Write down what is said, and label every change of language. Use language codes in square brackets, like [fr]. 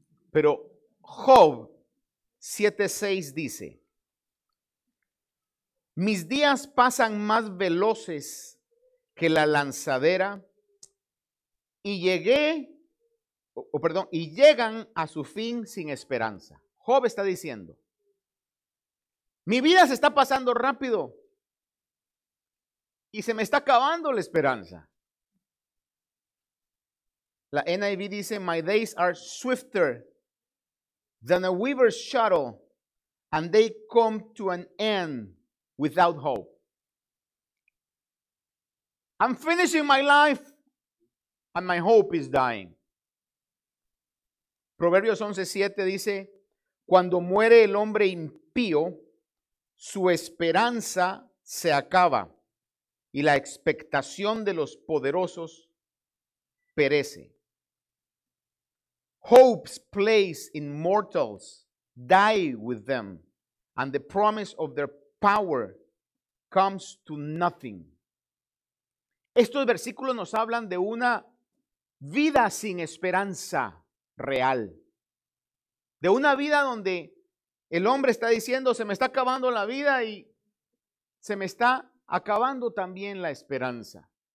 [es] Pero Job 7:6 dice, mis días pasan más veloces que la lanzadera y llegan a su fin sin esperanza. Job está diciendo, mi vida se está pasando rápido y se me está acabando la esperanza. La NIV dice, [en] my days are swifter than a weaver's shuttle, and they come to an end without hope. I'm finishing my life, and my hope is dying. [es] Proverbios 11:7 dice, cuando muere el hombre impío, su esperanza se acaba, y la expectación de los poderosos perece. [en] Hope's place in mortals die with them, and the promise of their power comes to nothing. [es] Estos versículos nos hablan de una vida sin esperanza real. De una vida donde el hombre está diciendo, se me está acabando la vida y se me está acabando también la esperanza.